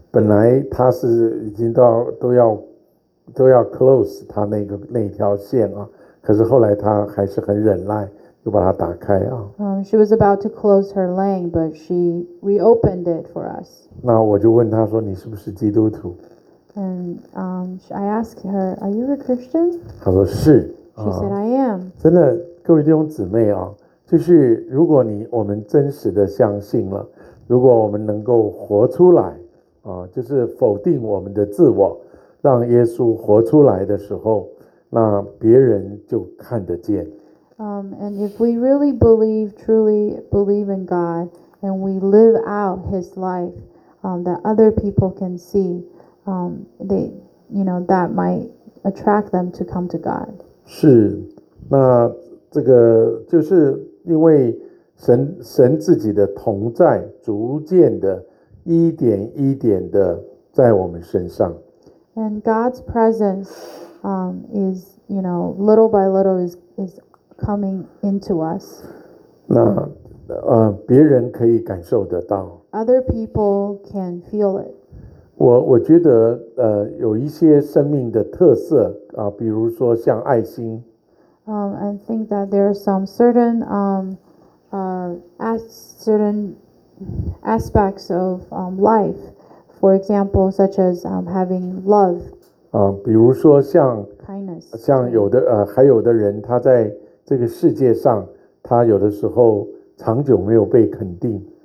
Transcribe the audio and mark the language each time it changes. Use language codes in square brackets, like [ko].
[zh] 本来他是已经到都要 close 他那条线啊，可是后来他还是很忍耐。就把它打开啊。 [en] She was about to close her lane, but she reopened it for us. [zh] 那我就问她说，你是不是基督徒？ [en] And I asked her, "Are you a Christian?" [zh] 她说是。 [en] She said, "I am." [zh] 真的，各位弟兄姊妹啊，就是如果我们真实的相信了，如果我们能够活出来啊，就是否定我们的自我，让耶稣活出来的时候，那别人就看得见。 [en] And if we really believe, truly believe in God, and we live out His life, that other people can see, that might attract them to come to God. [zh] 是，那这个就是因为神自己的同在，逐渐的，一点一点的在我们身上。 [en] And God's presence, is you know, little by little is. Coming into us. [zh] 那别人可以感受得到。 [en] Other people can feel it. [zh] 我觉得有一些生命的特色啊，比如说像爱心。 [en] I think that there are some certain certain aspects of life, for example, such as having love. [zh] 比如说像 [en] kindness, [zh] 像有的还有的人他在。这个世界上，他有的时候长久没有被肯定。